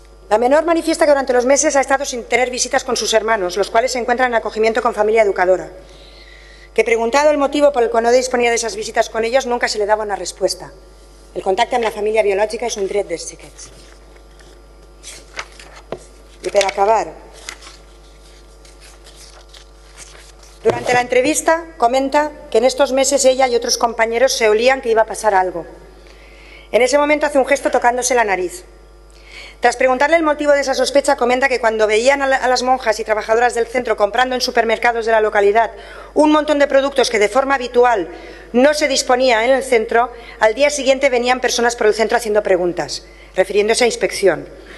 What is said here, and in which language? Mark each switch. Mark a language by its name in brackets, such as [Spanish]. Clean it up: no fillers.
[Spanish] La menor manifiesta que durante los meses ha estado sin tener visitas con sus hermanos, los cuales se encuentran en acogimiento con familia educadora. Que preguntado el motivo por el que no disponía de esas visitas con ellos, nunca se le daba una respuesta. [Catalan] El contacte amb la família biològica és un dret dels xiquets. I per acabar, [Spanish] durante la entrevista comenta que en estos meses ella y otros compañeros se olían que iba a pasar algo. En ese momento hace un gesto tocándose la nariz. Tras preguntarle el motivo de esa sospecha, comenta que cuando veían a las monjas y trabajadoras del centro comprando en supermercados de la localidad un montón de productos que de forma habitual no se disponía en el centro, al día siguiente venían personas por el centro haciendo preguntas, refiriéndose a inspección.